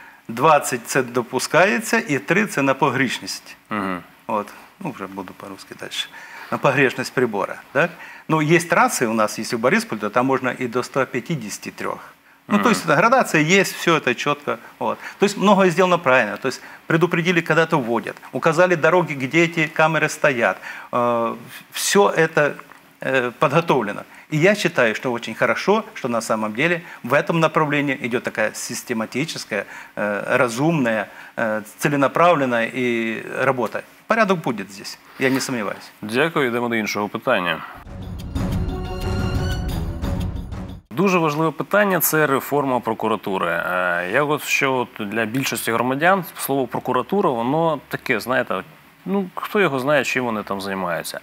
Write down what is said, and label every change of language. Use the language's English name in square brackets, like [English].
[Ukrainian] 20 – це допускається, і 3 – це на погрішність. Угу. От, ну, вже буду по-русски далі. На погрішність прибора. Так? Ну, є траси у нас, якщо в Борисполі, то там можна і до 153. Угу. Ну, тобто, градація є, все це чітко. Тобто, багато зроблено правильно. Тобто, предупредили, коли то вводять. Указали дороги, де ці камери стоять. Все це підготовлено. [Russian] И я считаю, что очень хорошо, что на самом деле в этом направлении идет такая систематическая, разумная, целенаправленная и работа. Порядок будет здесь, я не сомневаюсь. [Ukrainian] Дякую, [Russian] идем [Ukrainian] до іншого питання. Дуже важливе питання – це реформа прокуратури. Я от, що для більшості громадян слово «прокуратура» воно таке, знаєте, ну, хто його знає, чим вони там займаються.